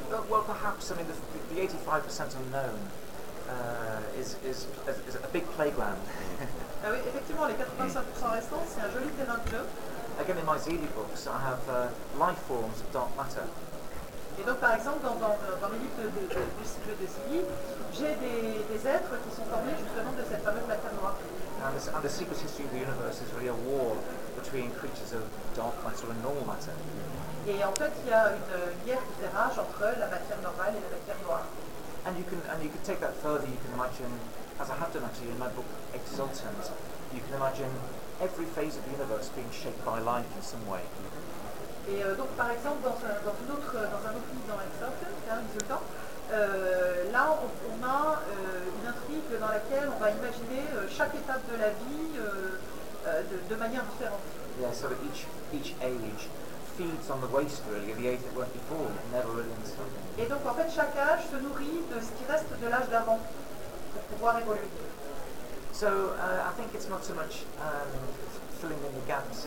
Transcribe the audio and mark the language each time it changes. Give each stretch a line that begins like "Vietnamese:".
English: Well, perhaps, I mean, the 85% unknown is a big playground.
French: Oui, effectivement, les 85% restants, c'est un joli terrain de jeu.
English: Again, in my Zeely books, I have life forms of dark matter.
French: Et donc, par exemple, dans les livres du jeu de Zeely, j'ai des êtres qui sont formés justement de cette fameuse matière noire.
English: And the secret history of the universe is really a war between creatures of dark matter and normal matter.
French: Et en fait, il y a une guerre qui fait rage entre la matière normale et la matière noire.
English: And you can take that further. You can imagine, as I have done actually in my book Exultans, you can imagine every phase of the universe being shaped by life in some way.
French: Et donc par exemple dans un autre livre dans Exultans, là on a une intrigue dans laquelle on va imaginer chaque étape de la vie de manière différente.
English: Yeah, so each age feeds on the waste really of the age that went before, never really understood.
French: Et donc, en fait, chaque âge se nourrit de ce qui reste de l'âge d'avant pour pouvoir évoluer.
English: So, I think it's not so much filling in the gaps.